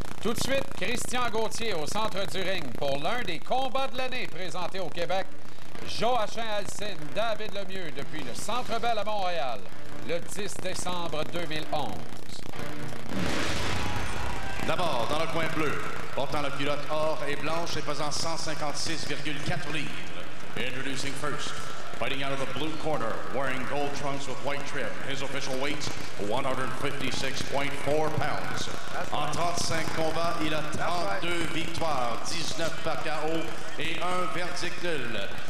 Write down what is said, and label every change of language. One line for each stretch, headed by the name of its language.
French: Tout de suite, Christian Gauthier au centre du ring pour l'un des combats de l'année présenté au Québec. Joachim Alcine, David Lemieux depuis le Centre Bell à Montréal, le 10 décembre 2011. D'abord, dans le coin bleu, portant la culotte or et blanche et pesant 156,4 livres.
English: Introducing first, fighting out of the blue corner, wearing gold trunks with white trim, his official weight, 156.4 pounds.
French: En 35 combats, il a 32 victoires, 19 par KO et un verdict nul.